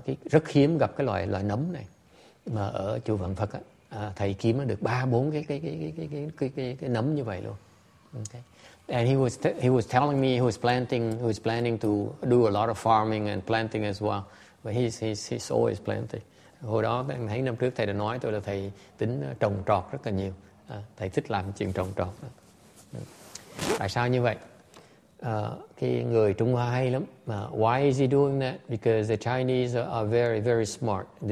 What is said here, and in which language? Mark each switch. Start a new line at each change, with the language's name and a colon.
Vietnamese: Rất hiếm gặp cái loại nấm này. Mà ở chùa Vạn Phật thầy kiếm được 3-4 cái nấm như vậy luôn. Okay.
English: And he was telling me he was planning to do a lot of farming and planting as well. But he's always planting.
Vietnamese: Hồi đó thấy năm trước thầy đã nói tôi là thầy tính trồng trọt rất là nhiều. Thầy thích làm chuyện trồng trọt. Tại sao như vậy? Cái người Trung Hoa hay lắm.
English: Why is he doing that? Because the Chinese are very, very smart.